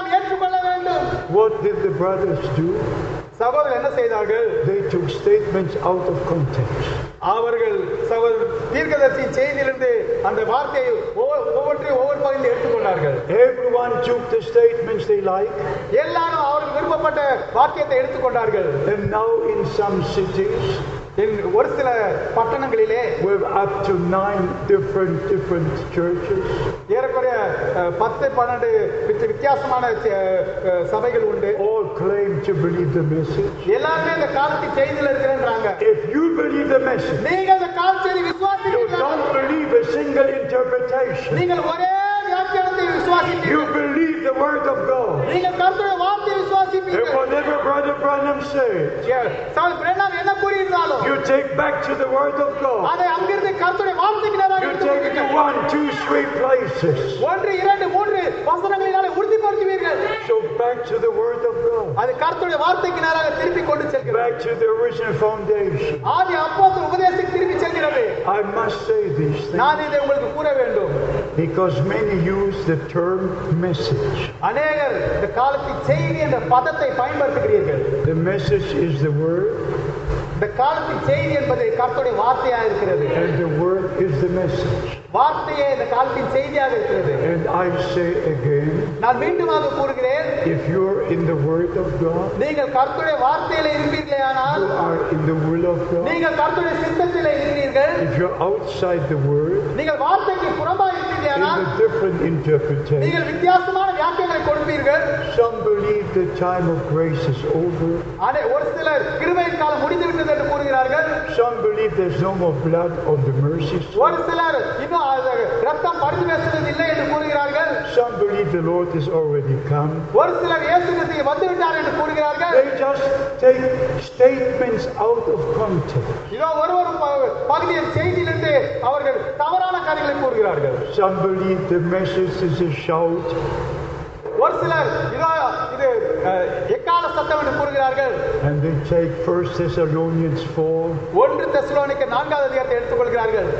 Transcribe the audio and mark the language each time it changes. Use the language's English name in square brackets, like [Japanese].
[English] What did the brothers do? [Tamil] சகோதரர் என்ன செய்தார்கள்? [English] They took statements out of context. [Tamil] அவர்கள் சகோதரர் தீர்க்கதரிசி செய்திலிருந்து அந்த வார்த்தையை ஒவ்வொன்றையும் ஒவ்வொரு பகுதியில் எடுத்துக்கொண்டார்கள். [English] Everyone took the statements they like. [Tamil] எல்லாரும் அவர்கள் விரும்பப்பட்ட வாக்கியத்தை எடுத்துக்கொண்டார்கள். [English] And now in some cities, [Tamil] ஒரு சில பட்டணங்களிலே, [English] up to 9 different churches, [Tamil] ஏறக்குறைய 10-12 வித்தியாசமான சபைகள் உண்டு. [English] All claim to believe the message. [Tamil] எல்லாருமே இந்த காலத்து செய்தியில் இருக்கிறேன்றாங்க. [English] If you believe the message, [Tamil] நீங்க இந்த காலத்து விசுவாசிக்கிறீங்க. [English] You don't believe a single interpretation. [Tamil] நீங்க ஒரே வியாக்கியானத்தை விசுவாசிக்கிறீங்க. [English] You believe the word of God. [Tamil] நீங்க கர்த்தருடைய வார்த்தையை விசுவாசிப்பீங்க. [English] Whatever Brother Branham said, [Tamil] yes, sir Pranam என்ன கூறினாலும், [English] you take back to the word of God. [Tamil] அதை அங்கிருந்து கர்த்தருடைய வார்த்தைக்குள்ளாக [English] you take it to 1, 2, 3 places. [Tamil] 1, 2, 3 வசனங்களினாலே உறுதிப்படுத்துவீர்கள். [English] So back to the word of God. [Tamil] அது கர்த்தருடைய வார்த்தைக்குள்ளாக திருப்பி கொண்டு செல்கிறது. [English] Back to the original foundation. [Tamil] ஆதி அப்போஸ்தலர் உபதேசத்துக்கு திரும்பி செல்கிறது. [English] I must say this thing. [Tamil] நான் இதை உங்களுக்கு கூற வேண்டும். [English] Because many use the term message. [Tamil] அநேகர் இந்த காலத்து செய்தி என்ற பதத்தை பயன்படுத்துகிறீர்கள். [English] The message is the word. [Tamil] இந்த காலத்து செய்தி என்பது கர்த்தருடைய வார்த்தையாக இருக்கிறது. [English] And the word is the message. [Tamil] வார்த்தையே இந்த காலத்தின் செய்தியாக இருக்கிறது. [English] And I say again, [Tamil] நான் மீண்டுமாக கூறுகிறேன், [English] if you are in the word of God, [Tamil] நீங்கள் கர்த்தருடைய வார்த்தையில் இருப்பீர்களே ஆனால், [English] you are in the will of God, [Tamil] நீங்கள் கர்த்தருடைய சித்தத்தில் இருப்பீர்கள், [English] if you are outside the word, [Tamil] நீங்கள் வார்த்தைக்கு புறம்பாக இருப்பீர்களே ஆனால், [English] in a different interpretation, [Tamil] நீங்கள் வித்தியாசமான வியாக்கியங்களை கொடுப்பீர்கள். [English] Some believe the time of grace is over. [Tamil] அதே ஒரு சிலர் கிருபையின் காலம் முடிந்து விட்டது என்று கூறுகிறார்கள். [English] Some believe there's no more blood on the mercy seat. [Tamil] ஒரு சிலர் ரத்தம் பரிந்து பேசுவது இல்லை என்று கூறுகிறார்கள். [English] Some believe the Lord is already come. [Tamil] ஒரு சிலர் இயேசு கிறிஸ்து வந்துவிட்டார் என்று கூறுகிறார்கள். [English] They just take statements out of context. [Tamil] இதோ ஒருவர் பகுதியில் செய்தியிலிருந்து அவர்கள் தவறான காரியங்களை கூறுகிறார்கள். [English] Some believe the message is a shout. [Tamil] ஒரு சிலர் இதோ இது எக்கால சத்தம் என்று கூறுகிறார்கள். [English] And they take 1 Thessalonians 4. [Tamil] 1 Thessalonica 4வது அதிகாரத்தை எடுத்துக்கொள்கிறார்கள்.